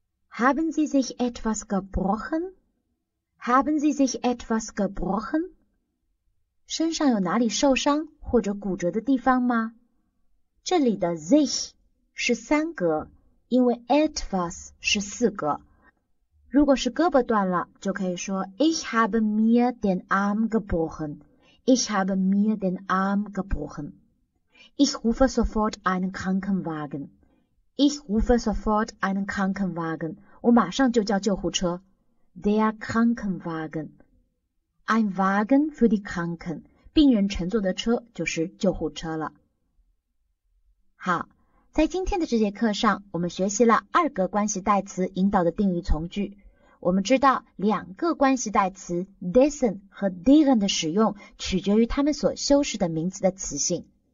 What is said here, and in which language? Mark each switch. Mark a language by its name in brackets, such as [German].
[German] Haben Sie sich etwas gebrochen? Haben Sie sich etwas gebrochen? [Chinese] 身上有哪里受伤或者骨折的地方吗？这里的 sich 是三格，因为 etwas 是四格。如果是胳膊断了，就可以说 [German] Ich habe mir den Arm gebrochen. Ich habe mir den Arm gebrochen. Ich rufe sofort einen Krankenwagen. Ich rufe sofort einen Krankenwagen. [Chinese] 我马上就叫救护车。 [German] Der Krankenwagen. Ein Wagen für die Kranken, [Chinese] 病人乘坐的车就是救护车了。好，在今天的这节课上，我们学习了二个关系代词引导的定语从句。我们知道两个关系代词 dessen 和 deren 的使用取决于他们所修饰的名词的词性。